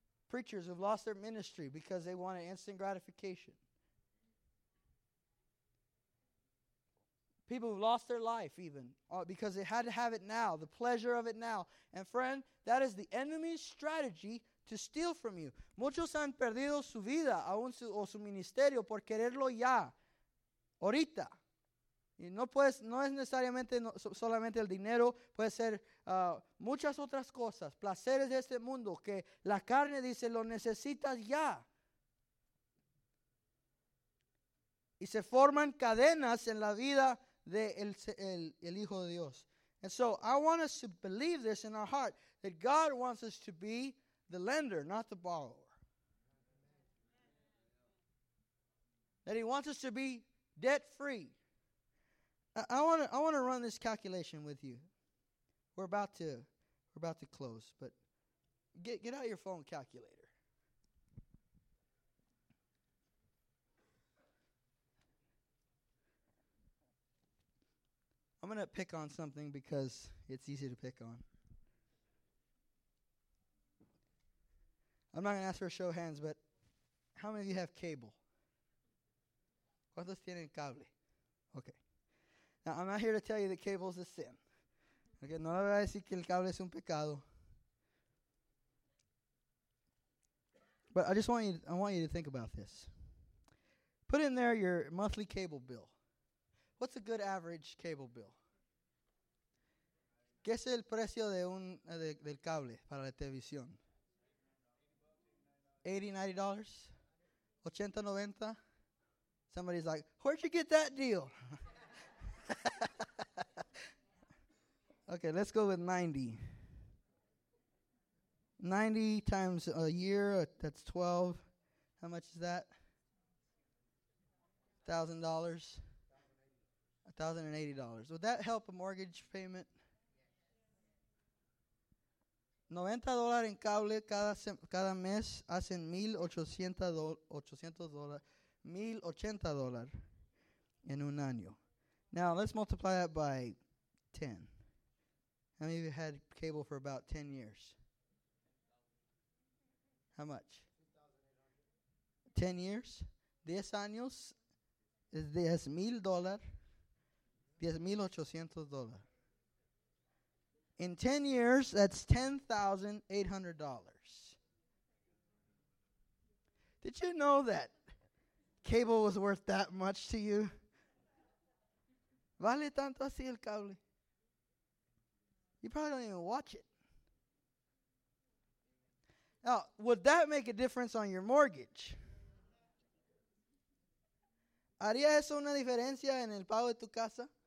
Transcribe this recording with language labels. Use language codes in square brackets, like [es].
[en] Preachers have lost their ministry because they want an instant gratification. People who've lost their life even because they had to have it now, the pleasure of it now. And friend, that is the enemy's strategy to steal from you. [es] Muchos han perdido su vida o su ministerio por quererlo ya, ahorita. Y no es necesariamente solamente el dinero, puede ser muchas otras cosas, placeres de este mundo que la carne dice lo necesitas ya. Y se forman cadenas en la vida del Hijo de Dios. [en] And so I want us to believe this in our heart, that God wants us to be the lender, not the borrower. That he wants us to be debt free. I want to run this calculation with you. We're about to close, but get out your phone calculator. I'm going to pick on something because it's easy to pick on. I'm not going to ask for a show of hands, but how many of you have cable? [es] ¿Cuántos tienen cable? [en] Okay. Now, I'm not here to tell you that cable is a sin. [es] Okay, no le voy a decir que el cable es un pecado. [en] But I just want you to think about this. Put in there your monthly cable bill. What's a good average cable bill? [es] ¿Qué es el precio de del cable para la televisión? [en] $80, $90, $80. Somebody's like, where'd you get that deal? Okay, let's go with 90. 90 times a year, that's 12. How much is that? $1,000. $1,080. Would that help a mortgage payment? [es] $90 en cable cada mes hacen $1,080 en un año. [en] Now, let's multiply that by 10. How many of you had cable for about 10 years? How much? 10 years? 10 años is $10,800. In 10 years, that's $10,800. Did you know that cable was worth that much to you? [es] ¿Vale tanto así el cable? [en] You probably don't even watch it. Now, would that make a difference on your mortgage? [es] ¿Haría eso una diferencia en el pago de tu casa?